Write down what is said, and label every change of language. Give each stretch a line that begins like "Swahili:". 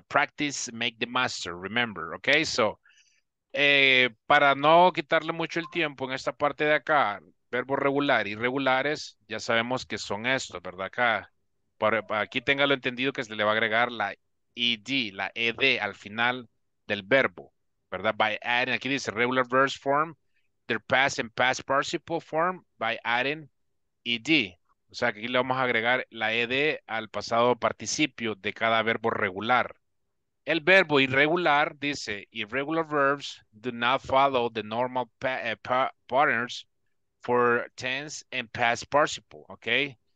English: Practice, make the master, remember,
Spanish: ¿ok? So, para no quitarle mucho el tiempo en esta parte de acá, verbo regular, irregulares, ya sabemos que son estos, ¿verdad? Acá, aquí téngalo entendido que se le va a agregar la ed, la ed al final del verbo, ¿verdad?
English: By adding,
Spanish: aquí dice
English: regular verbs form their past and past participle form by adding ed.
Spanish: O sea, que aquí le vamos a agregar la ed al pasado participio de cada verbo regular. El verbo irregular dice,
English: irregular verbs do not follow the normal patterns for tense and past participle, ¿ok?